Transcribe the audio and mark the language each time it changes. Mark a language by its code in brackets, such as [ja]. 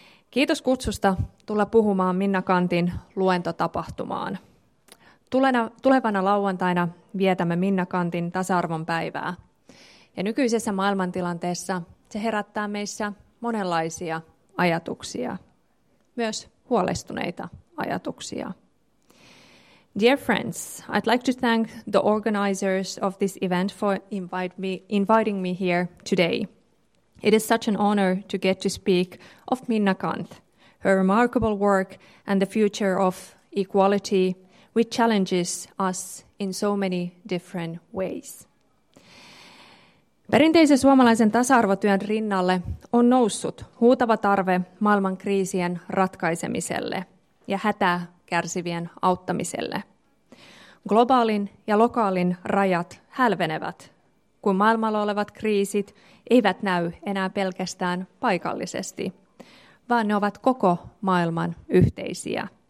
[fi] Kiitos kutsusta tulla puhumaan Minna Canthin luentotapahtumaan. Tulevana lauantaina vietämme Minna Canthin tasa-arvon päivää. Ja nykyisessä maailmantilanteessa se herättää meissä monenlaisia ajatuksia, myös huolestuneita ajatuksia. [en] Dear friends, I'd like to thank the organizers of this event for inviting me here today. It is such an honor to get to speak of Minna Canth, her remarkable work and the future of equality, which challenges us in so many different ways. [fi] Perinteisen suomalaisen tasa-arvotyön rinnalle on noussut huutava tarve maailman kriisien ratkaisemiselle ja hätää kärsivien auttamiselle. Globaalin ja lokaalin rajat hälvenevät, kun maailmalla olevat kriisit eivät näy enää pelkästään paikallisesti, vaan ne ovat koko maailman yhteisiä.